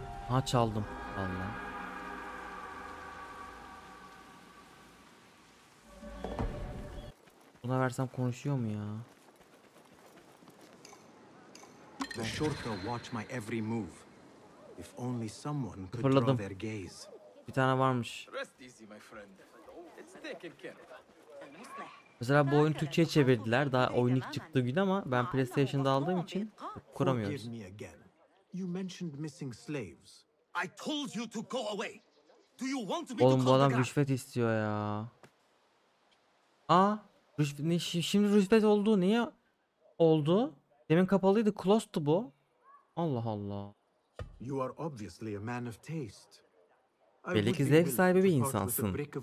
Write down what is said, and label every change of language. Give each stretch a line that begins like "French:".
Turkish: Aha çaldım. Allah. Buna versem konuşuyor mu ya? Kesinlikle.
English: The Shorta watch my every move. If only someone could draw their gaze.
Turkish: Bir tane varmış. Mesela bu oyunu Türkçe'ye çevirdiler. Daha oyun ilk çıktığı gün ama ben PlayStation'da aldığım için kuramıyoruz.
English: You mentioned missing slaves. I told you to go away. Do you want to be
Turkish: Oğlum bu adam rüşvet istiyor ya. Aa, rüşvet, ne, şimdi rüşvet oldu. Niye oldu? Demin kapalıydı. Closed'tu bu. Allah Allah.
English: You are obviously a man of taste.
Turkish: Belli ki zevk sahibi bir insansın.